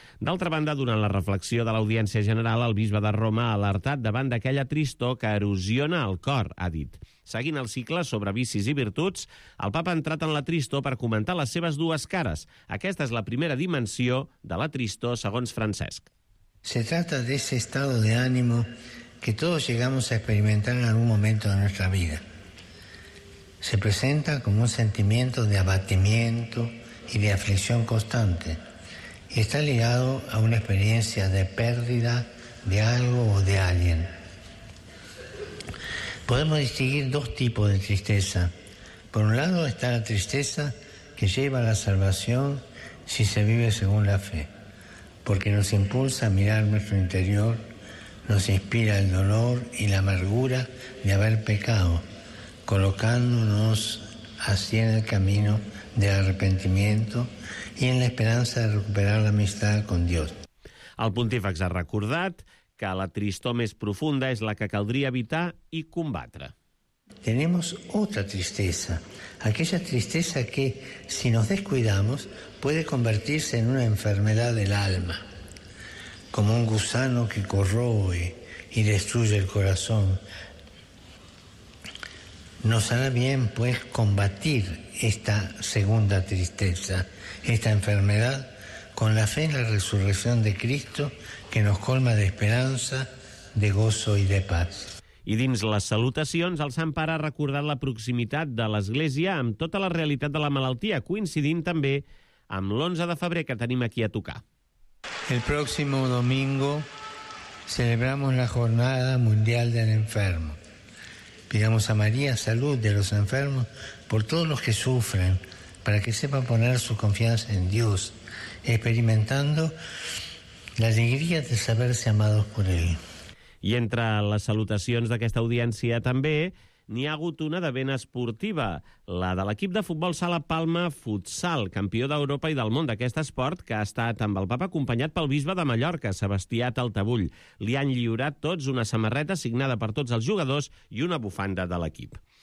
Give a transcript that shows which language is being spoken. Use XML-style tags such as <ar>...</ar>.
<ca>D'altra banda, durant la reflexió de l'Audiència General, el bisbe de Roma ha alertat davant d'aquella tristor que erosiona el cor, ha dit. Seguint el cicle sobre vicis i virtuts, el papa ha entrat en la tristor per comentar les seves dues cares. Aquesta és la primera dimensió de la tristor, segons Francesc.</ca> <es>Se trata de ese estado de ánimo que todos llegamos a experimentar en algún momento de nuestra vida. Se presenta como un sentimiento de abatimiento y de aflicción constante y está ligado a una experiencia de pérdida de algo o de alguien. Podemos distinguir dos tipos de tristeza. Por un lado está la tristeza que lleva a la salvación si se vive según la fe, porque nos impulsa a mirar nuestro interior, nos inspira el dolor y la amargura de haber pecado, colocándonos así en el camino del arrepentimiento y en la esperanza de recuperar la amistad con Dios.</es> <ca>El pontífex ha recordat que la tristor més profunda és la que caldria evitar i combatre.</ca> <es>Tenemos otra tristeza, aquella tristeza que, si nos descuidamos, puede convertirse en una enfermedad del alma, como un gusano que corroe y destruye el corazón. Nos hará bien, pues, combatir esta segunda tristeza, esta enfermedad, con la fe en la resurrección de Cristo, que nos colma de esperanza, de gozo y de paz.</es> <ca>I dins les salutacions, el Sant Pare ha recordat la proximitat de l'Església amb tota la realitat de la malaltia, coincidint també amb l'11 de febrer que tenim aquí a tocar.</ca> <es>El próximo domingo celebramos la Jornada Mundial del Enfermo. Pidamos a María salud de los enfermos por todos los que sufren, para que sepan poner su confianza en Dios, experimentando la alegría de saberse amados por Él.</es> <ca>I entre les salutacions d'aquesta audiència també n'hi ha hagut una de ben esportiva, la de l'equip de futbol Sala Palma Futsal, campió d'Europa i del món d'aquest esport, que ha estat amb el papa acompanyat pel bisbe de Mallorca, Sebastià Taltavull. Li han lliurat tots una samarreta signada per tots els jugadors i una bufanda de l'equip.</ca>